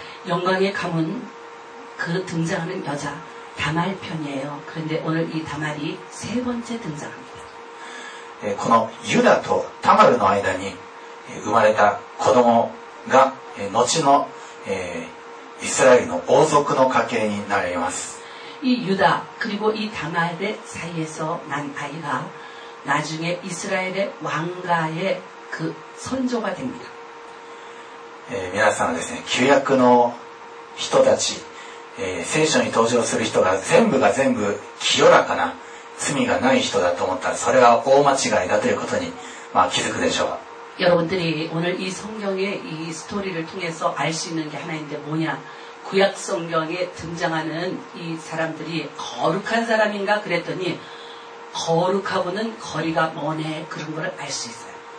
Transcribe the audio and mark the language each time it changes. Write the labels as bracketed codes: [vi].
[ko] 영광의가문그등장하는여자다말편이에요그런데오늘이다말이세번째등장합니다 [ja] このユダとタマルの間に生まれた子供が後のイスラエルの王族の家系になります。 [ko] 이유다그리고이다말의사이에서난아이가나중에이스라엘의왕가의그선조가됩니다 [ja] 皆さんはですね、旧約の人たち、聖書に登場する人が全部が全部清らかな罪がない人だと思ったら、それは大間違いだということに、まあ、気づくでしょう。 [ko] 여러분들이오늘이성경의이스토리를통해서알수있는게하나인데뭐냐구약성경에등장하는이사람들이거룩한사람인가그랬더니거룩하고는거리가먼해그런걸알수있어요